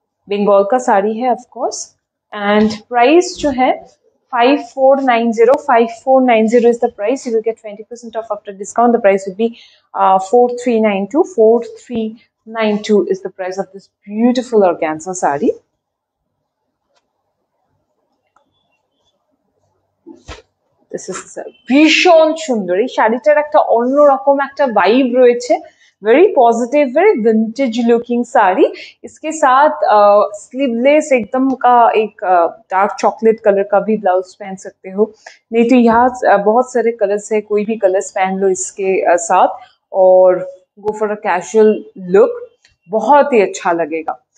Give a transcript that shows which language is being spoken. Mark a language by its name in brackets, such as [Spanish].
[Hindi] बंगाल का साड़ी है of course, [English] And price जो है 5490, 5490 is the price, you will get 20% off after discount, the price will be 4392, 4392 is the price of this beautiful organza sari. This is [Bangla] भीषण सुंदर, এই শাড়িটার একটা অন্যরকম একটা ভাইব রয়েছে, [English] very positive, very vintage looking [Bangla] sari. [Hindi] इसके साथ स्लीवलेस एकदम का एक डार्क चॉकलेट कलर का भी ब्लाउज पहन सकते हो, नहीं तो यहाँ बहुत सारे कलर्स है, कोई भी कलर्स पहन लो इसके साथ और [English] go for a casual look, [Hindi] बहुत ही अच्छा लगेगा।